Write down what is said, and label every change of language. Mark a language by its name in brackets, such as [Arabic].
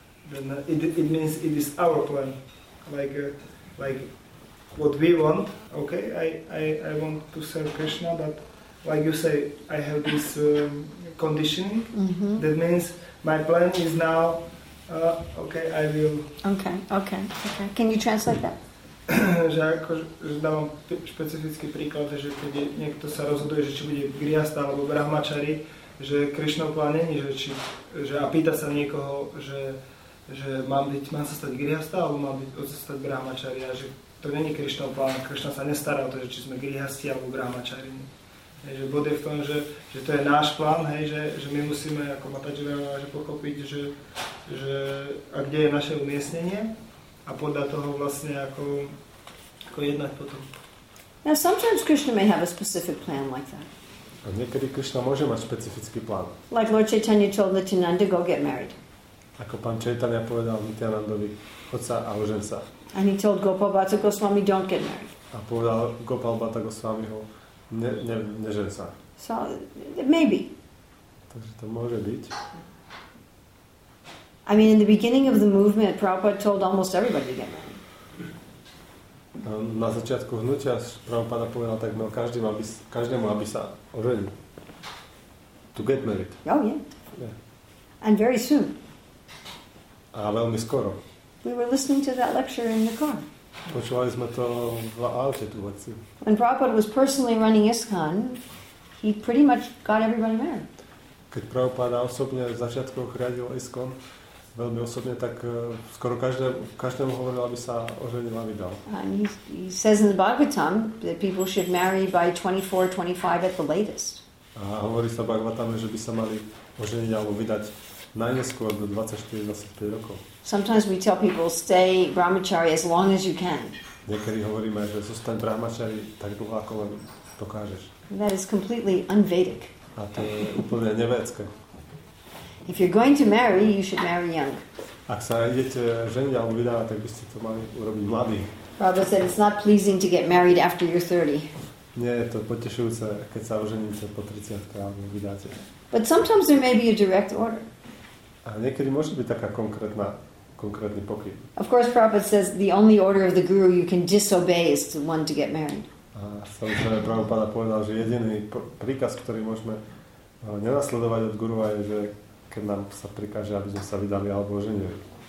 [English] Then it means it is our plan, like what we want. Okay, I want to serve Krishna, but like you say, I have this conditioning. Mm-hmm. That means my plan is now. Okay, I will. Okay. Can you translate that? [Slovak] Že ako, že dávam špecifický príklad, že keď niekto sa rozhoduje, že či bude grihasta alebo brahmačari, že Krišnov plán není, že a pýta sa niekoho, že mám sa stať grihasta alebo mám byť odstať brahmačari, a že to není Krišnov plán, Krišna sa nestará o to, že či sme grihasti alebo brahmačari. Že bod je v tom, že to je náš plán, hej, že my musíme ako Matajivana že pochopiť, že a kde je naše umiestnenie, a podľa toho vlastne ako jednať potom. [English] Now sometimes Krishna may have a specific plan like that. [Slovak] A niekedy Krishna môže mať špecifický plán. [English] Like Lord Chaitanya told Nityananda, go get married. [Slovak] Ako pán Chaitanya povedal Nityanandovi, choď sa a ožen sa. [English] And he told Gopal Bhatta Goswami, don't get married. [Slovak] A povedal Gopal Bhatta Goswami ho, nežen sa. [English] So, maybe. [Slovak] Takže to môže byť. [English] I mean, in the beginning of the movement, Prabhupada told almost everybody to get married. [Slovak] Na začiatku hnutia Prabhupada povedal tak, no každému, aby sa oženil. [English] To get married. Oh, yeah. Yeah. And very soon. [Slovak] A veľmi skoro. [English] We were listening to that lecture in the car. [Slovak] Počúvali sme to v aute, tú lekciu. [English] When Prabhupada was personally running ISKCON, he pretty much got everybody married. [Slovak] Keď Prabhupada osobne v začiatku riadil ISKCON, veľmi osobne, tak skoro každému hovoril, aby sa oženil a vydal. [English] And he says in the Bhagavatam that people should marry by 24, 25 at the latest. [Slovak] A hovorí sa Bhagavatame, že by sa mali oženiť alebo vydať najneskôr do 24, 25 rokov. [English] Sometimes we tell people, stay brahmachari as long as you can. [Slovak] Niekedy hovoríme, že zostaň brahmachari tak dlho, ako len dokážeš. [English] That is completely unvedic. [Slovak] A to je úplne nevédske. [English] If you're going to marry, you should marry young. [Slovak] Ak sa idete ženiť alebo vydávať, tak by ste to mali urobiť mladý. [English] Prabhupada said it's not pleasing to get married after you're 30. [Slovak] Nie je to potešujúce, keď sa oženíte po 30-tke alebo vydáte. [English] But sometimes there may be a direct order. [Slovak] A niekedy môže byť taká konkrétny pokyn. [English] Of course, Prabhupada says the only order of the guru you can disobey is the one to get married. [Slovak] A samozrejme, Prabhupada povedal, že jediný príkaz, ktorý môžeme nenasledovať od guru, je, že keď nám sa prikáže, aby sme sa vydali alebo oženili.